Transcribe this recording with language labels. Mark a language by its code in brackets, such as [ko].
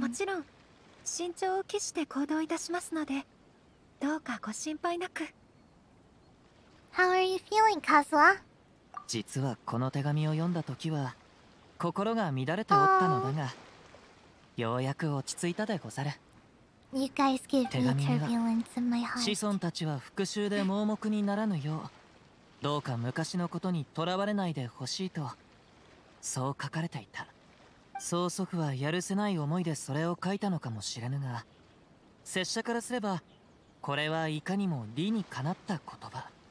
[ja] もちろん慎重を期して行動いたしますので、どうかご心配なく。 [en] How are you feeling, Kazuha? [ja] 実はこの手紙を読んだ時は心が乱れておったのだが、ようやく落ち着いたでござる。 [en] You guys give me turbulence in my heart. [ja] 子孫たちは復讐で盲目にならぬようどうか昔のことにとらわれないでほしいと、そう書かれていた。曹祖父はやるせない思いでそれを書いたのかもしれぬが、拙者からすればこれはいかにも理にかなった言葉。